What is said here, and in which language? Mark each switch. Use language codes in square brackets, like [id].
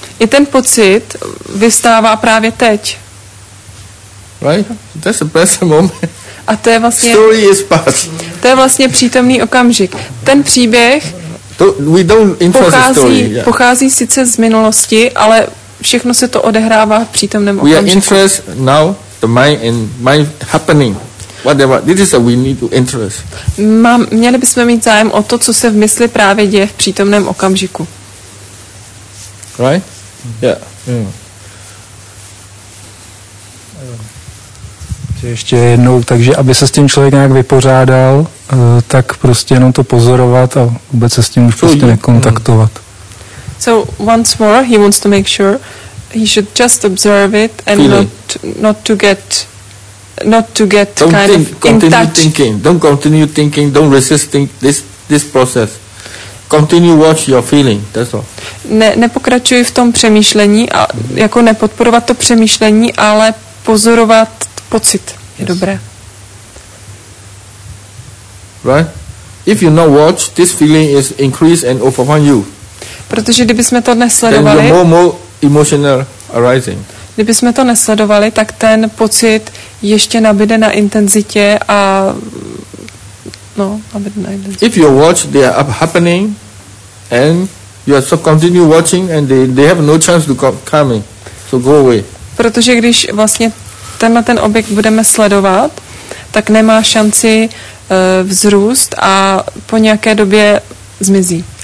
[cs] I ten pocit vyvstává právě teď. [en] Right? That's a present moment. [cs] A to je vlastně... [en] Story is past. [cs] To je vlastně přítomný okamžik. Ten příběh [en] to, we don't infer [cs] pochází, [en] the story, yeah. [cs] Pochází sice z minulosti, ale všechno se to odehrává v přítomném okamžiku. [en] We are interested now the mind and mind happening. Whatever. This is a we need to interest. [cs] Měli bychom mít zájem o to, co se v mysli právě děje v přítomném okamžiku. [en] Right? Yeah. [cs] Ještě jednou, takže aby se s tím člověk nějak vypořádal, tak prostě jenom to pozorovat a vůbec se s tím už [en] so [cs] prostě nekontaktovat. [en] So once more, he wants to make sure he should just observe it and not to get don't kind think, of in continue touch. Thinking. Don't continue thinking, don't resist this process. Continue watch your feeling, that's all. [cs] Nepokračuj v tom přemýšlení, a jako nepodporovat to přemýšlení, ale pozorovat pocit je dobré. [en] Right? If you not watch, this feeling is increased and overwhelm you. [cs] Protože kdybychom to nesledovali, [en] then you're more emotional arising. [cs] Kdybychom to nesledovali, tak ten pocit ještě nabyde na intenzitě a nabyde na intenzitě. [en] If you watch, they are happening and you are so continue watching and they have no chance to come in. So go away. [cs] Protože když vlastně tenhle ten objekt budeme sledovat, tak nemá šanci vzrůst a po nějaké době zmizí.